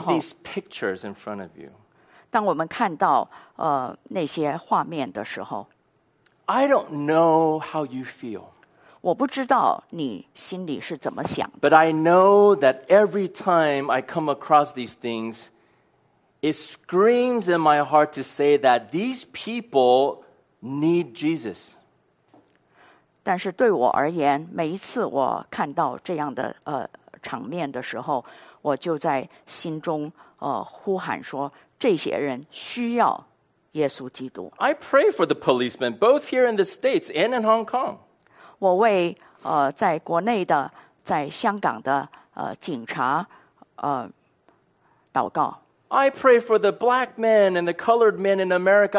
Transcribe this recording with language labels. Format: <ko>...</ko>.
<en>when you see these pictures in front of you,</en> <zh>当我们看到那些画面的时候。</zh> <en>I don't know how you feel.</en> <zh>我不知道你心里是怎么想的。</zh> <en>But I know that every time I come across these things, it screams in my heart to say that these people need Jesus.</en> <zh>但是对我而言，每一次我看到这样的场面的时候，我就在心中呼喊说，这些人需要。</zh> <en>I pray for the policemen, both here in the States and in Hong Kong.</en> <zh>我为在国内的、在香港的警察祷告。</zh> <en>I pray for the black men and the colored men in America.</en>